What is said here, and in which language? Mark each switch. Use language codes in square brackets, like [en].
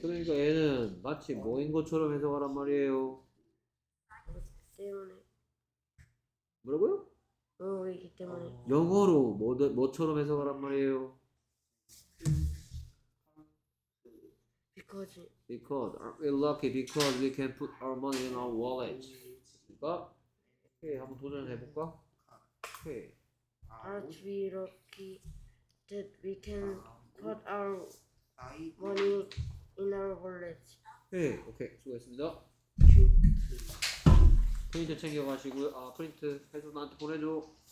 [ko] 그러니까 얘는 마치 뭐인 것처럼 해석하란 말이에요. 때문에. 뭐라고요? 영어이기 때문에. 영어로 뭐처럼 해석하란 말이에요. [en] Because aren't we lucky because we can put our money in our wallet. [ko] 그러니까 오케이, 한번 도전해 볼까? 오케이. [en] Aren't we lucky that we can put our money in our wallet. [ko] 네, 오케이. 수고했습니다. 프린트. 프린트 챙겨 가시고요. 아, 프린트 해서 나한테 보내 줘.